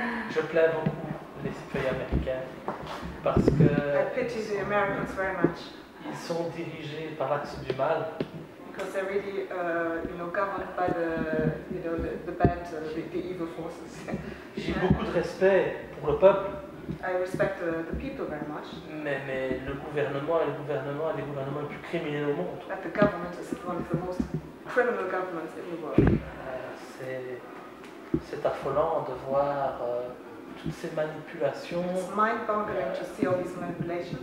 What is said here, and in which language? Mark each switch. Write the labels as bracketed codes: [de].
[fr] Je plains beaucoup les citoyens américains parce que. [en] I pity the Americans very much. [fr] Ils sont dirigés par l'axe du mal. [en] Because they're really, governed by the bad, the evil forces. [fr] J'ai beaucoup de respect pour le peuple. [en] I respect the people very much. [fr] Mais le gouvernement est le gouvernement le plus criminel au monde. [en] But the government is one of the most criminal governments in the world. [fr] C'est affolant de voir toutes ces manipulations. [en] It's mind-boggling to see all these manipulations.